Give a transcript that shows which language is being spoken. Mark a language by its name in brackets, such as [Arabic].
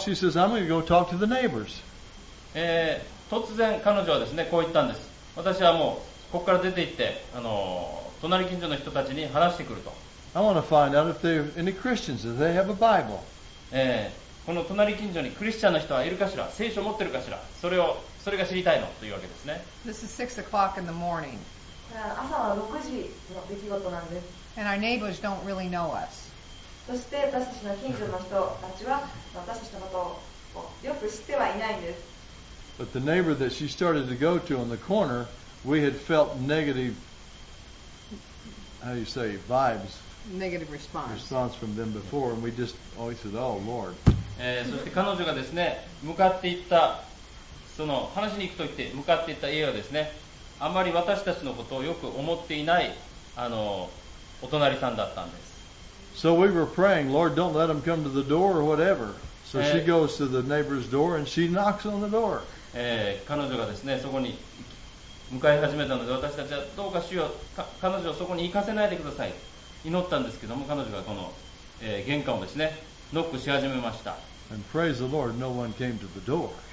[English] She says, I'm going to go talk to the neighbors. [Japanese] 突然彼女はですね、こう言ったんです。私はもう、ここから出て行って隣近所の人たちに話してくると。 [English] I want to find out if there are any Christians, if they have a Bible. [Japanese] この隣近所にクリスチャンの人はいるかしら、聖書を持ってるかしら、それが知りたいのというわけですね。 [English] This is 6 o'clock in the morning. [Japanese] 朝は6時の出来事なんです。 [English] And our neighbors don't really know us. [Japanese] そして私たちの近所の人たちは私たちのことをよく知ってはいないんです。 [English] But the neighbor that she started to go to on the corner. We had felt negative, how do you say, vibes. Negative response. Response from them before, and we just always said, oh Lord. [Japanese] そして彼女がですね、向かっていった、その話に行くと言って、向かっていった家はですね、あまり私たちのことをよく思っていない、お隣さんだったんです。 [English] So we were praying, Lord, don't let them come to the door or whatever. So she goes to the neighbor's door and she knocks on the door. [Japanese] 彼女がですね、そこに迎え始めたので私たちはどうか主よ彼女をそこに行かせないでください祈ったんですけども彼女がこの、玄関をですねノックし始めました [English] And praise the Lord, no one came to the door.